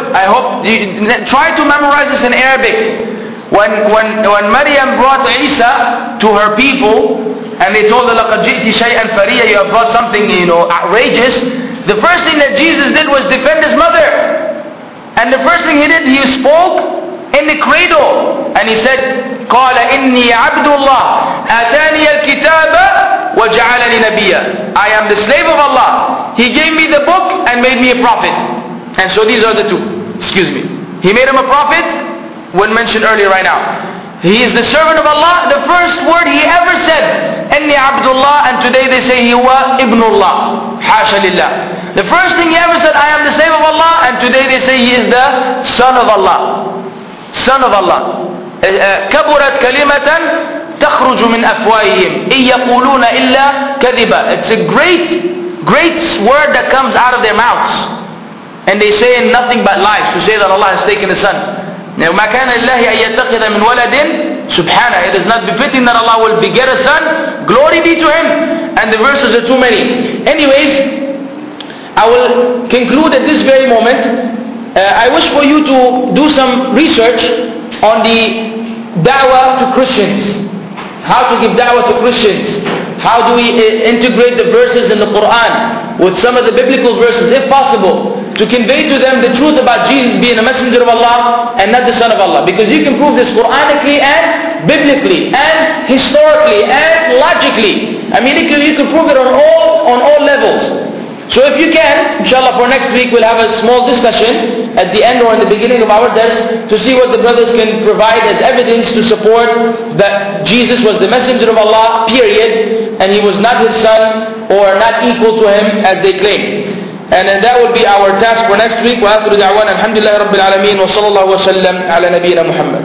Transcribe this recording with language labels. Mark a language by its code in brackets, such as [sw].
[en] I hope you try to memorize this in Arabic. When Maryam brought Isa to her people and they told her, [ar] لَقَدْ جِئْتِ شَيْئًا فَرِيًّا, [en] you have brought something, you know, outrageous. The first thing that Jesus did was defend his mother. And the first thing he did, he spoke in the cradle. And he said, [ar] قَالَ إِنِّي عَبْدُ اللَّهِ أَتَانِيَ الْكِتَابَ وَجَعَلَنِي نَبِيًّا. [en] I am the slave of Allah. He gave me the book and made me a prophet. And so these are the two. Excuse me. He made him a prophet. When mentioned earlier right now, he is the servant of Allah. The first word he ever said, "Inni Abdullah," and today they say he was Ibnullah. Hasha lillah. The first thing he ever said, "I am the slave of Allah," and today they say he is the son of Allah. Son of Allah. [ar] كبرت كلمة تخرج من أفواههم إن يقولون إلا كذبا. [en] It's a great, great word that comes out of their mouths, and they say nothing but lies to say that Allah has taken a son. [ar] Now, ما كان الله أن يتخذ من ولد سبحانه. [en] It is not befitting that Allah will beget a son. Glory be to Him. And the verses are too many. Anyways, I will conclude at this very moment. I wish for you to do some research on the da'wah to Christians. How to give da'wah to Christians. How do we integrate the verses in the Quran with some of the biblical verses, if possible, to convey to them the truth about Jesus being a messenger of Allah and not the son of Allah. Because you can prove this Quranically and biblically and historically and logically. I mean, you can prove it on all levels. So if you can, inshallah, for next week we'll have a small discussion at the end or in the beginning of our desk to see what the brothers can provide as evidence to support that Jesus was the messenger of Allah, period, and he was not his son or not equal to him as they claim. And then that will be our task for next week. [ar] وآخر دعوانا الحمد لله رب العالمين وصلى الله وسلم على نبينا محمد.